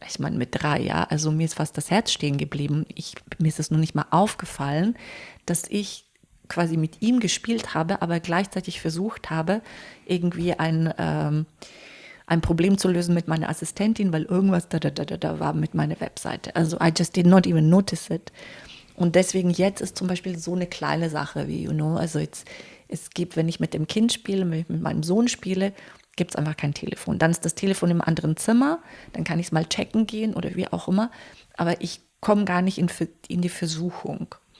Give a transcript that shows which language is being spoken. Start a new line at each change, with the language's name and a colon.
German: Ich meine, mit 3, ja, also mir ist fast das Herz stehen geblieben. Mir ist es nur nicht mal aufgefallen, dass ich quasi mit ihm gespielt habe, aber gleichzeitig versucht habe, irgendwie ein Problem zu lösen mit meiner Assistentin, weil irgendwas da war mit meiner Webseite.
English: Also I just did not even notice it.
German: Und deswegen jetzt ist zum Beispiel so eine kleine Sache wie, you know, also jetzt, es gibt, wenn ich mit dem Kind spiele, wenn ich mit meinem Sohn spiele, gibt es einfach kein Telefon. Dann ist das Telefon im anderen Zimmer, dann kann ich es mal checken gehen oder wie auch immer, aber ich komme gar nicht in die Versuchung.